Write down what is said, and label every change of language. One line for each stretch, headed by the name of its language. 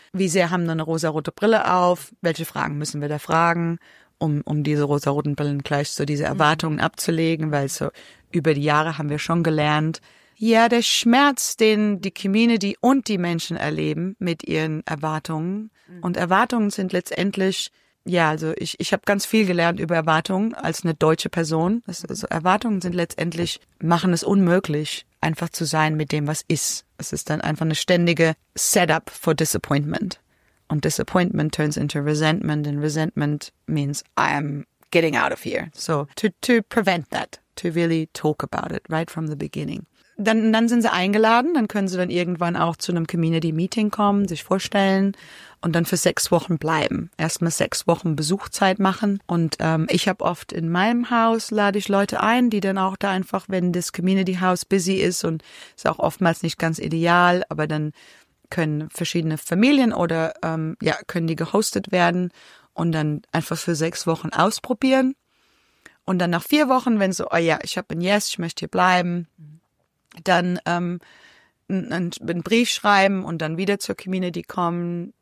German: Wie sehr haben wir eine rosarote Brille auf? Welche Fragen müssen wir da fragen, um diese rosaroten Brillen gleich so diese Erwartungen abzulegen, weil so über die Jahre haben wir schon gelernt, ja, der Schmerz, den die Community und die Menschen erleben mit ihren Erwartungen. Und Erwartungen sind letztendlich, ja, also ich habe ganz viel gelernt über Erwartungen als eine deutsche Person. Also Erwartungen sind letztendlich, machen es unmöglich, einfach zu sein mit dem, was ist. Es ist dann einfach eine ständige
English: Setup for Disappointment. Und Disappointment turns into Resentment and Resentment means I'm getting out of here. So to prevent that, to really talk about it right from the beginning.
German: Dann sind sie eingeladen, dann können sie dann irgendwann auch zu einem Community Meeting kommen, sich vorstellen und dann für 6 Wochen bleiben. Erstmal 6 Wochen Besuchzeit machen und ich habe oft in meinem Haus, lade ich Leute ein, die dann auch da einfach, wenn das Community House busy ist und ist auch oftmals nicht ganz ideal, aber dann können verschiedene Familien oder können die gehostet werden und dann einfach für 6 Wochen ausprobieren und dann nach 4 Wochen, wenn so, oh ja, ich habe ein Yes, ich möchte hier bleiben, dann einen Brief schreiben und dann wieder zur Community kommen.